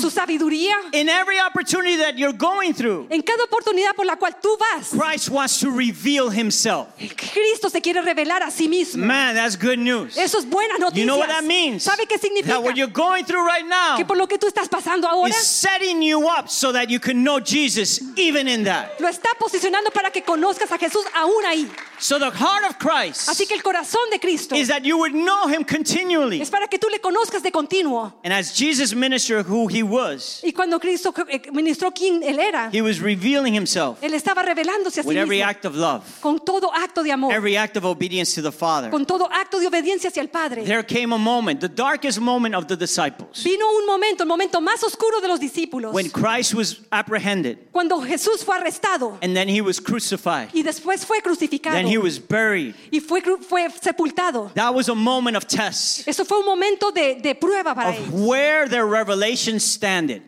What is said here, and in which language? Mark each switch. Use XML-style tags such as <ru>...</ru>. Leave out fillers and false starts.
<es>Su sabiduría.</es> <en>In every opportunity that you're going through.</en> <es>En cada oportunidad por la cual tú vas.</es> <en>Christ wants to reveal Himself.</en> <es>Cristo se quiere revelar a sí mismo.</es> <en>Man, that's good news.</en> <es>Eso es buena noticia.</es> <en>You know what that means?</en> <es>¿Sabe qué significa?</es> <en>That what you're going through right now</en> <es>que por lo que tú estás pasando ahora</es> <en>is setting you up so that you can know Jesus even in that.</en> <es>Lo está posicionando para que conozcas a Jesús aún ahí.</es> <en>So the heart of Christ</en> <es>así que el corazón de Cristo</es> <en>is that you would know him continually.</en> <es>Es para que tú le conozcas de continuo.</es> <en>And as Jesus ministered who he was,</en> <es>y cuando Cristo ministró quién él era,</es> <en>he was revealing himself</en> <es>él estaba revelándose a sí</es> <en>with</en> <es>mismo.</es> <en>Every act of love,</en> <es>con todo acto de amor,</es> <en>every act of obedience to the Father,</en> <es>con todo acto de obediencia hacia el Padre.</es> <en>There came a moment, the darkest moment of the disciples,</en> <es>vino un momento, el momento más oscuro de los discípulos,</es> <en>when Christ was apprehended,</en> <es>cuando Jesús fue arrestado,</es> <en>and then he was crucified,</en> <es>y después fue crucificado,</es> <en>then he was buried,</en> <es>y fue sepultado.</es> <en>That was a moment of test,</en> <es>eso fue un momento de prueba para</es> <en>of</en> <es>él.</es> <en>Where their revelation standed,</en>